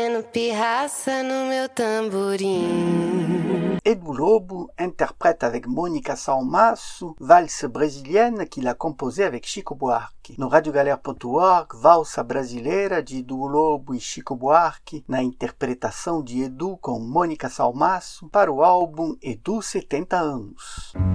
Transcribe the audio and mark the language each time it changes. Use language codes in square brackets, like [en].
[pt] pirraça no meu tamborim. [fr] Edu Lobo interprète avec Mônica Salmasso, valse brésilienne qu'il a composée avec Chico Buarque. [pt] No radiogalera.org, valsa brasileira de Edu Lobo e Chico Buarque, na interpretação de Edu com Mônica Salmasso, para o álbum Edu 70 anos.